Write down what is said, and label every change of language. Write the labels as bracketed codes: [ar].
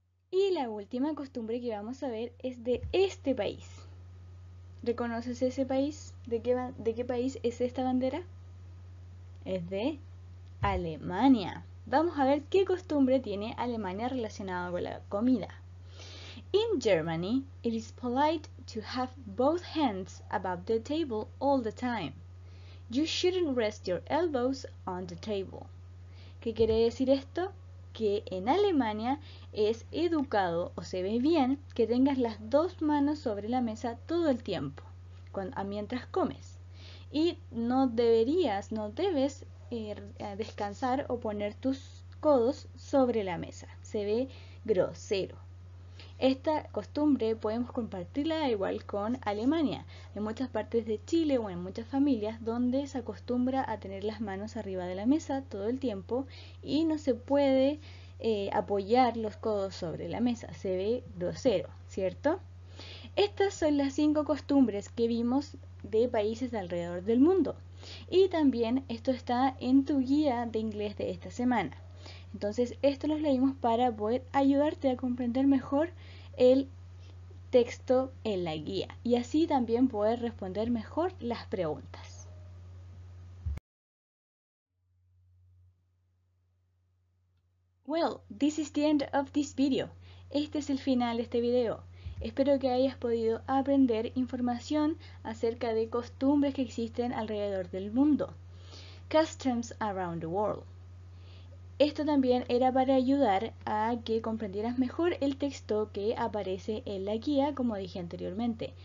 [es] Y la última costumbre que vamos a ver es de este país. ¿Reconoces ese país? ¿De qué país es esta bandera? Es de Alemania. Vamos a ver qué costumbre tiene Alemania relacionada con la comida. [en] In Germany, it is polite to have both hands above the table all the time. You shouldn't rest your elbows on the table. [es] ¿Qué quiere decir esto? Que en Alemania es educado o se ve bien que tengas las dos manos sobre la mesa todo el tiempo, mientras comes. Y no debes descansar o poner tus codos sobre la mesa. Se ve grosero. Esta costumbre podemos compartirla igual con Alemania. En muchas partes de Chile o en muchas familias donde se acostumbra a tener las manos arriba de la mesa todo el tiempo y no se puede apoyar los codos sobre la mesa. Se ve grosero, ¿cierto? Estas son las cinco costumbres que vimos de países de alrededor del mundo. Y también esto está en tu guía de inglés de esta semana. Entonces, esto los leímos para poder ayudarte a comprender mejor el texto en la guía y así también poder responder mejor las preguntas. [en] Well, this is the end of this video. [es] Este es el final de este video. Espero que hayas podido aprender información acerca de costumbres que existen alrededor del mundo. [en] Customs around the world. [es] Esto también era para ayudar a que comprendieras mejor el texto que aparece en la guía, como dije anteriormente.